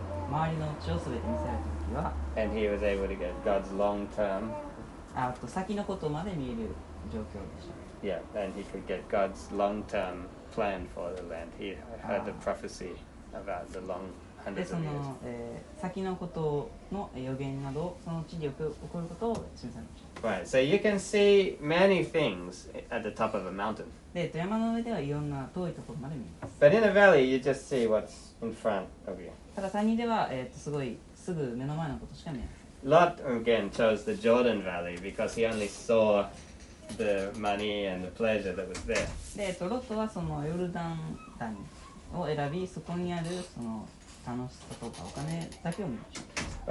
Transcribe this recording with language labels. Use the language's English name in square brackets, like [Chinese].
[Japanese] 周りの地をすべて見せられた時は、 [English] And he was able to get God's long-term. [Japanese] 先のことまで見える状況でした。 [English] Yeah, and he could get God's long-term plan for the land. He heard the prophecy about the long-term [Japanese] でその、先のことの予言などその地で起こることを示されました。 [English] Right, so you can see many things at the top of a mountain. [Japanese] で、富山の上ではいろんな遠いところまで見えます。 [English] But in the valley, you just see what's in front of you. [Japanese] ただ山にでは、すごいすぐ目の前のことしか見えません。 [English] Lot again chose the Jordan Valley because he only saw the money and the pleasure that was there. [Japanese] で、ロットはそのヨルダン谷を選び、そこにあるその楽しさとかお金だけを見ました。